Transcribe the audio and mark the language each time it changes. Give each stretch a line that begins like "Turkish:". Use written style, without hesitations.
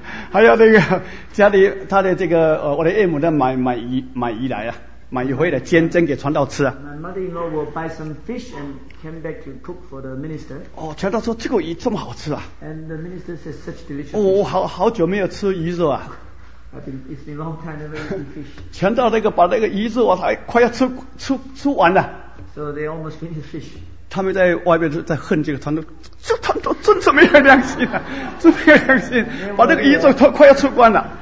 Chinese: 还有那个家里他的这个我的岳母在买鱼来啊。买鱼回来煎蒸给传道吃啊。
English: My mother-in-law will buy some fish and came back to cook for the minister.
Chinese: 哦，传道说这个鱼这么好吃啊。
English: And the minister says such delicious.
Chinese: 哦，好久没有吃鱼肉啊。
English: It's been a long time never eating fish.
Chinese: 传道那个把那个鱼肉啊，他快要吃完了。
English: So they almost finished fish.
Chinese: 他们在外面在恨这个传道，这传道真是没有良心啊，真没有良心，把那个鱼肉都快要吃光了。